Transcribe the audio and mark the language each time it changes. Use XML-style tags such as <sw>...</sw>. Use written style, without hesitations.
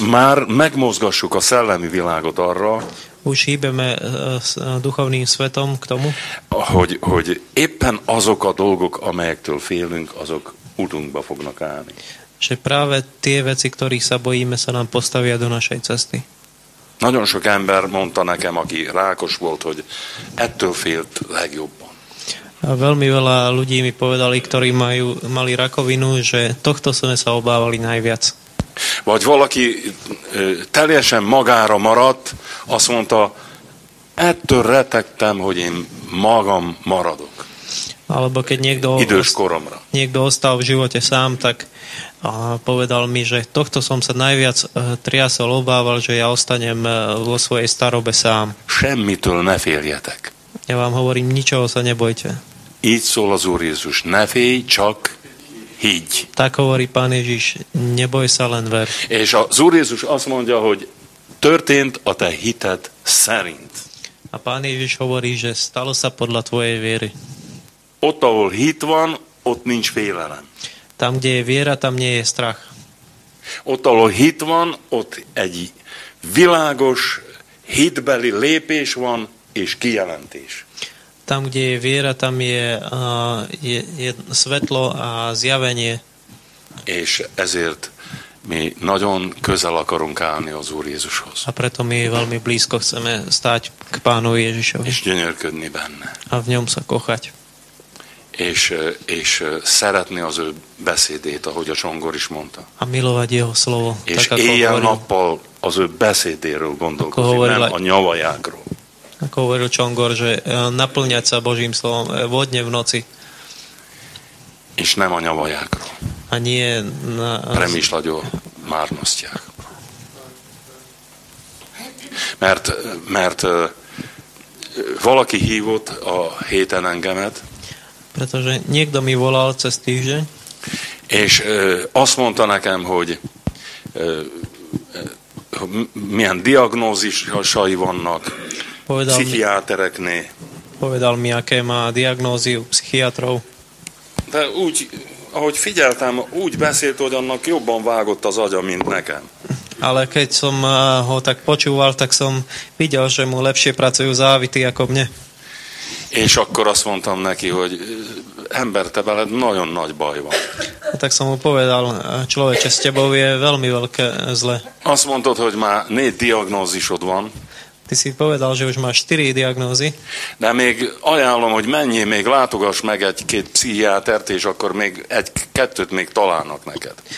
<hu>már megmozgassuk a szellemi világot arra,</hu> <sk>už hýbeme duchovným svetom k tomu,</sk> <hu>hogy éppen azok a dolgok, amelyektől félünk, azok útunkba fognak állni.</hu> <sk>že práve tie veci, ktorých sa bojíme, sa nám postavia do našej cesty.</sk> <hu>Nagyon sok ember mondta nekem, aki rákos volt, hogy ettől félt legjobban.</hu> <sk>A veľmi veľa ľudí mi povedali, ktorí majú, mali rakovinu, že tohto sme sa obávali najviac.</sk> <hu>Vagy valaki teljesen magára maradt, azt mondta, ettől retegtem, hogy én magam maradok.</hu> <sk>Alebo keď niekto</sk> <hu>idős koromra.</hu> <sk>Niekto ostal v živote sám, tak a povedal mi, že tohto som sa najviac triasol, obával, že ja ostanem vo svojej starobe sám.</sk> <hu>Semmitől ne féljetek.</hu> <sk>Ja vám hovorím, ničoho sa nebojte.</sk> <hu>Így szól az Úr Jézus, ne félj, csak higgy.</hu> <sk>Tak hovorí Pán Ježiš, neboj sa, len ver.</sk> <hu>És az Úr Jézus azt mondja, hogy történt a te hited szerint.</hu> <sk>A Pán Ježiš hovorí, že stalo sa podľa tvojej viery.</sk> <hu>Ott, ahol hit van, ott nincs félelem.</hu> <sk>Tam, kde je viera, tam nie je strach.</sk> <hu>Ott, ahol hit van, ott egy világos, hitbeli lépés van, és kijelentés.</hu> <sk>Tam, kde je viera, tam je, je svetlo a zjavenie.</sk> <hu>És ezért mi nagyon közel akarunk állni az Úr Jézushoz.</hu> <sk>A preto mi veľmi blízko chceme stáť k Pánu Ježišovi.</sk> <hu>És gyönyörködni benne.</hu> <sk>A v ňom sa kochať.</sk> <hu>És szeretni az ő beszédét, ahogy a Csongor is mondta.</hu> <sk>A milovať jeho slovo.</sk> <hu>És éjjel-nappal az ő beszédéről gondolkozni, nem a nyavajákról.</hu> <sk>Ako hovoril Csongor, že naplňať sa Božím slovom vodne v noci.</sk> <hu>És nem a nyavajákról.</hu> <sk>A nie na... Premýšľať o márnostiach.</sk> <hu>Mert valaki hívott a héten engemet.</hu> <sk>Pretože niekto mi volal cez týždeň.</sk> <hu>És azt mondta nekem, hogy milyen diagnózisai vannak psychiátereknél.</hu> <sk>Povedal mi, aké má diagnózy u psychiatrov.</sk> <hu>De úgy, ahogy figyeltem, úgy beszélt, hogy annak jobban vágott az agya, mint nekem.</hu> <sk>Ale keď som ho tak počúval, tak som videl, že mu lepšie pracujú závity ako mne.</sk> <hu>És akkor azt mondtam neki, hogy ember, te veled nagyon nagy baj van.</hu> <sk>Tak som mu povedal, človeče, s tebou je veľmi veľké zle.</sk> <hu>Azt mondtad, hogy már négy diagnózisod van.</hu> <sk>Ty si povedal, že už máš 4 diagnózy.</sk> <hu>De még ajánlom, hogy menjél, még látogass meg egy-két pszichiátert, és akkor még egy-kettőt még találnak neked.</hu>